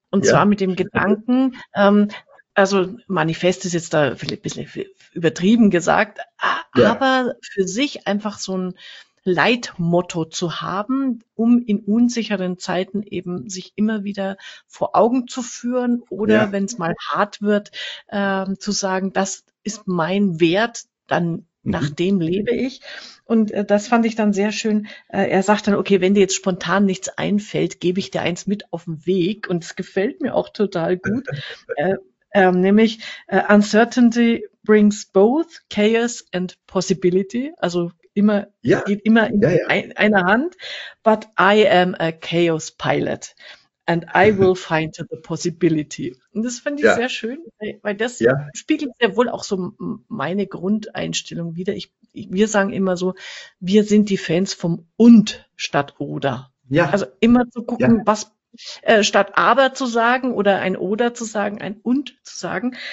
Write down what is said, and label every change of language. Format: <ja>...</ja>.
<de>Und zwar mit dem Gedanken, also Manifest ist jetzt da vielleicht ein bisschen übertrieben gesagt, aber für sich einfach so ein Leitmotto zu haben, um in unsicheren Zeiten eben sich immer wieder vor Augen zu führen oder wenn es mal hart wird, zu sagen, das ist mein Wert, dann Nach dem lebe ich. Und das fand ich dann sehr schön. Er sagt dann, okay, wenn dir jetzt spontan nichts einfällt, gebe ich dir eins mit auf den Weg. Und es gefällt mir auch total gut. Nämlich,</de> <en>Uncertainty brings both chaos and possibility.</en> <de>Also immer, es geht immer in einer Hand.</de> <en>But I am a chaos pilot and I will find the possibility.</en> <de>Und das finde ich sehr schön, weil das spiegelt ja wohl auch so meine Grundeinstellung wider. Wir sagen immer so, wir sind die Fans vom und statt oder. Also immer zu gucken, was statt aber zu sagen oder ein oder zu sagen, ein und zu sagen.</de>